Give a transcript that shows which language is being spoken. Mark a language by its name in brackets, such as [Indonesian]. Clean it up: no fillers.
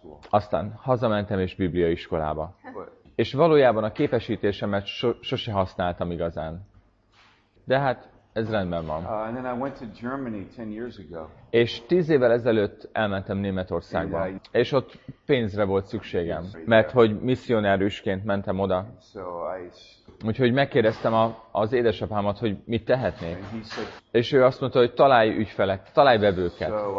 [Hungarian] Aztán hazamentem, és bibliaiskolába. És valójában a képesítésemet sose használtam igazán. De hát... ez rendben van. [English] And then I went to Germany 10 years ago. [Hungarian] És 10 évvel ezelőtt elmentem Németországba. És ott pénzre volt szükségem, mert hogy misszionárusként mentem oda. Úgyhogy megkérdeztem az édesapámat, hogy mit tehetnék. És ő azt mondta, hogy találj ügyfelek, találj vevőket.